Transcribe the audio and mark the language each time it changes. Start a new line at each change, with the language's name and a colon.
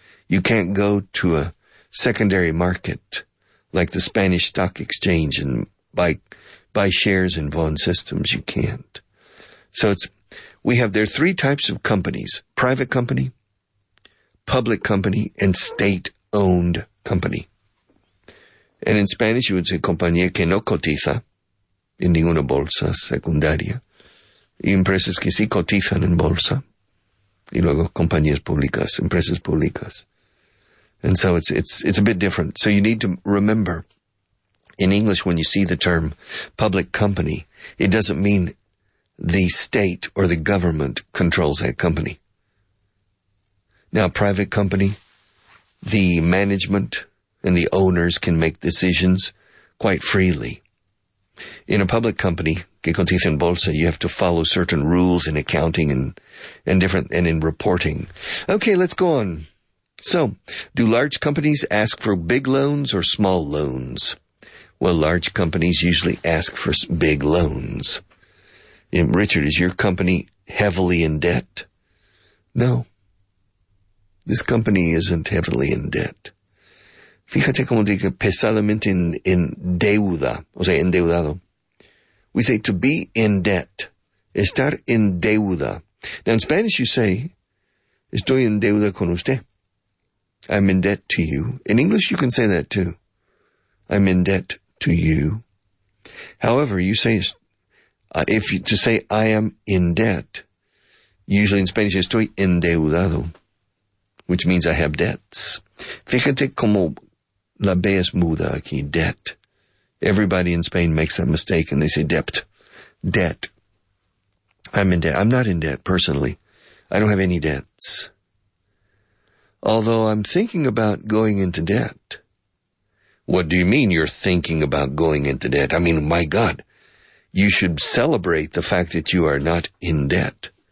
English: You can't go to a secondary market like the Spanish Stock Exchange and buy shares in Vaughan Systems. You can't. So there are three types of companies: private company, public company, and state-owned company. And in Spanish, you would say
Spanish: compañía que no cotiza en ninguna bolsa secundaria, y empresas que sí cotizan en bolsa. Y luego compañías públicas, empresas públicas.
English: And so it's a bit different. So you need to remember, in English, when you see the term public company, it doesn't mean the state or the government controls that company. Now, a private company, the management and the owners can make decisions quite freely. In a public company,
Spanish: que cotiza en bolsa,
English: you have to follow certain rules in accounting and in reporting. Okay, let's go on. So, do large companies ask for big loans or small loans? Well, large companies usually ask for big loans. Richard, is your company heavily in debt? No. This company isn't heavily in debt.
Spanish: Fíjate cómo digo pesadamente en deuda, o sea, endeudado.
English: We say to be in debt,
Spanish: estar en deuda.
English: Now, in Spanish, you say,
Spanish: estoy en deuda con usted.
English: I'm in debt to you. In English, you can say that too. I'm in debt to you. However, you say, I am in debt, usually in Spanish,
Spanish: estoy endeudado,
English: which means I have debts.
Spanish: Fíjate cómo la B es muda aquí, debt.
English: Everybody in Spain makes that mistake and they say debt. Debt. I'm in debt. I'm not in debt, personally. I don't have any debts. Although I'm thinking about going into debt. What do you mean you're thinking about going into debt? I mean, my God, you should celebrate the fact that you are not in debt.